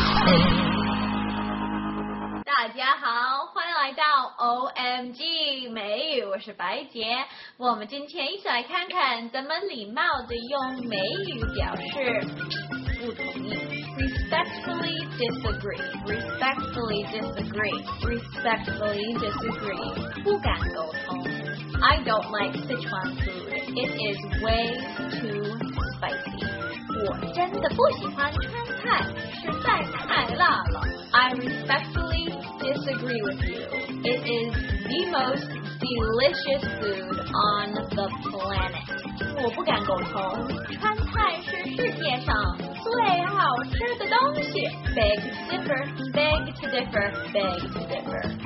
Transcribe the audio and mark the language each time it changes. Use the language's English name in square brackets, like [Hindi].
[Chinese] 大家好，欢迎来到 OMG 美语，我是白杰。我们今天一起来看看怎么礼貌地用美语表示不同意。 [English] Respectfully disagree, respectfully disagree, respectfully disagree. [Chinese] 不敢沟通。 [English] I don't like Sichuan food. It is way too spicy. [Chinese] 我真的不喜欢川菜，实在太辣了。 [English] I respectfully disagree with you. It is the most delicious food on the planet. [Chinese] 我不敢沟通。川菜是世界上最好吃的东西。 [English] Beg to differ, beg to differ, beg to differ.